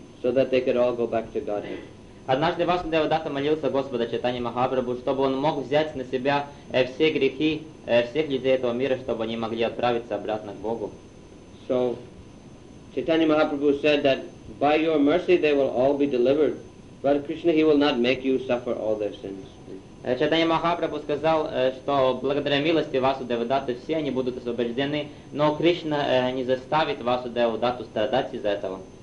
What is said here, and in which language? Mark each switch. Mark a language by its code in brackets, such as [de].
[en] so that they could all go back to Godhead. [ru] Однажды Васудева Дата молился Господа Чайтанья Махапрабху, чтобы он мог взять на себя все грехи всех людей этого мира, чтобы они могли отправиться обратно к Богу. [en] So, Chaitanya Mahaprabhu said that by your mercy they will all be delivered, but Krishna, he will not make you suffer all their sins. [ru] Чайтанья Махапрабху сказал, что благодаря милости Васудева Даты все они будут освобождены, но Кришна не заставит Васудеву Дату страдать из-за этого.